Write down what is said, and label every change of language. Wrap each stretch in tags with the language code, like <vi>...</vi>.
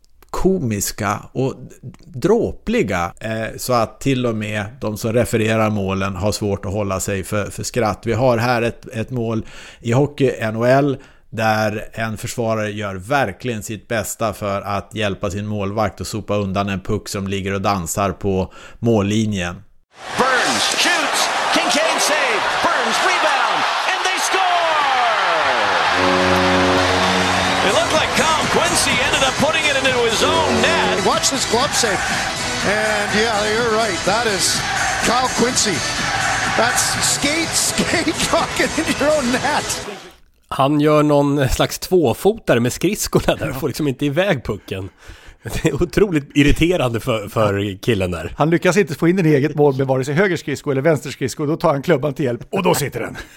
<sv>Komiska och dråpliga så att till och med de som refererar målen har svårt att hålla sig för skratt. Vi har här ett mål i hockey NHL där en försvarare gör verkligen sitt bästa för att hjälpa sin målvakt och sopa undan en puck som ligger och dansar på mållinjen.</sv> <en>Burns shoots, Kincaid save, Burns rebound, and they score! It looked like Kyle Quincy ended up putting it into his own net. Watch this glove save. And yeah, you're right, that is Kyle Quincy. That's skate fucking in your own net.</en> <sv>Han gör någon slags tvåfotare med skridskorna där och får liksom inte iväg pucken. Det är otroligt irriterande för killen där. Han lyckas inte få in en eget mål med vare sig höger skridsko eller vänster skridsko. Då tar han klubban till hjälp och då sitter den.</sv>